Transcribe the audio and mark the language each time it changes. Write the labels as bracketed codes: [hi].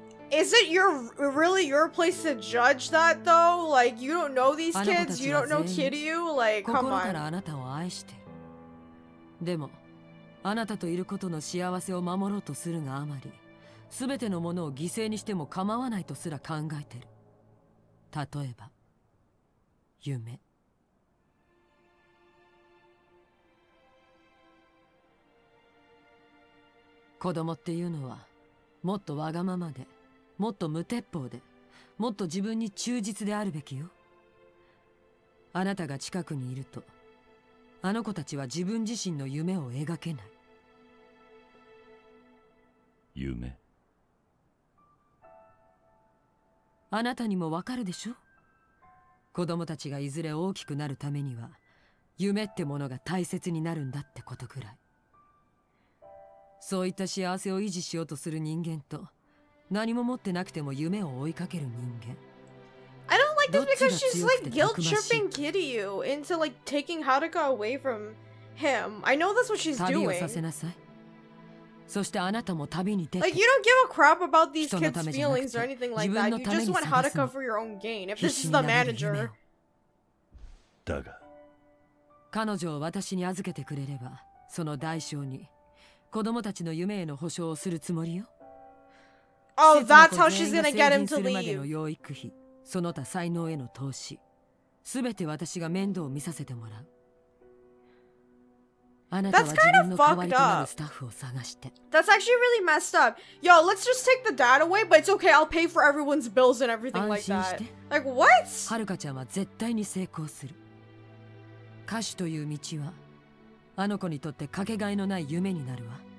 [en] Is it really your place to judge that though? Like, you don't know these kids, you don't know Kiryu? Like, come on. [ja] 心からあなたを愛してる。でも、あなたといることの幸せを守ろうとするがあまり、すべてのものを犠牲にしても構わないとすら考えてる。例えば、夢。子供っていうのはもっとわがままで、もっと無鉄砲で、もっと自分に忠実であるべきよ。あなたが近くにいると、あの子たちは自分自身の夢を描けない。夢？あなたにもわかるでしょ？子供たちがいずれ大きくなるためには夢ってものが大切になるんだってことくらい。そういった幸せを維持しようとする人間と、何も持ってなくても夢を追いかける人間。 [en] I don't like this because she's like guilt tripping Kiryu into like taking Haruka away from him. I know that's what she's doing. [ja] 旅をさせなさい。そしてあなたも旅に出て。 [en] Like you don't give a crap about these kids' feelings or anything like that. You just want Haruka for your own gain. If this is the manager. [ja] だが、彼女を私に預けてくれれば、その代償に子供たちの夢への保証をするつもりよ。 [en] Oh, that's how she's gonna get him to leave. [ja] の養育費、その他才能への投資、すべて私が面倒を見させてもらう。あなたは自分の代わりとなるスタッフを探して。 [en] That's actually really messed up. Yo, let's just take the dad away, but it's okay. I'll pay for everyone's bills and everything like that. Like what? [ja] はるかちゃんは絶対に成功する。歌手という道は、あの子にとってかけがえのない夢になるわ。